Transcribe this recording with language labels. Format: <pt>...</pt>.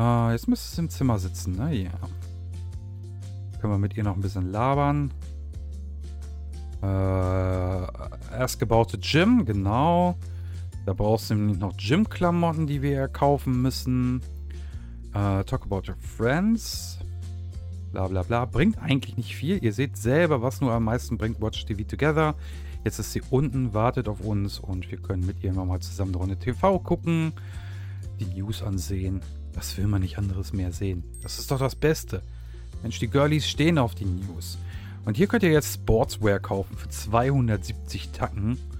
<de>Jetzt müsste sie im Zimmer sitzen, ne? Ja. Können wir mit ihr noch ein bisschen labern. Erst gebaute Gym, genau. Da brauchst du nämlich noch Gym-Klamotten, die wir kaufen müssen.</de> <en>Talk about your friends. Bla bla bla.</en> <de>Bringt eigentlich nicht viel. Ihr seht selber, was nur am meisten bringt.</de> <en>Watch TV Together.</en> <de>Jetzt ist sie unten, wartet auf uns und wir können mit ihr nochmal zusammen eine TV gucken. Die News ansehen. Was will man nicht anderes mehr sehen? Das ist doch das Beste. Mensch, die Girlies stehen auf die News. Und hier könnt ihr jetzt Sportswear kaufen für 270 Tacken.</de>